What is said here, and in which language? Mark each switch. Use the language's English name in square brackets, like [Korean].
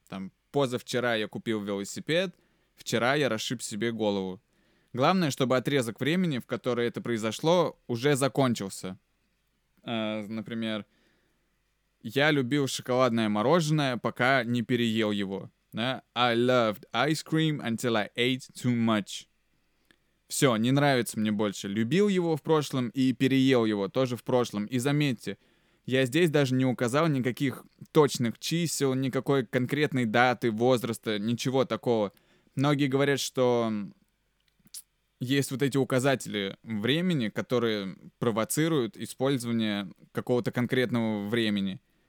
[Russian] Там, позавчера я купил велосипед, вчера я расшиб себе голову. Главное, чтобы отрезок времени, в который это произошло, уже закончился. Например, я любил шоколадное мороженое, пока не переел его. [English] I loved ice cream until I ate too much. [Russian] Все, не нравится мне больше. Любил его в прошлом и переел его тоже в прошлом. И заметьте, я здесь даже не указал никаких точных чисел, никакой конкретной даты, возраста, ничего такого. Многие говорят, что есть вот эти указатели времени, которые провоцируют использование какого-то конкретного времени.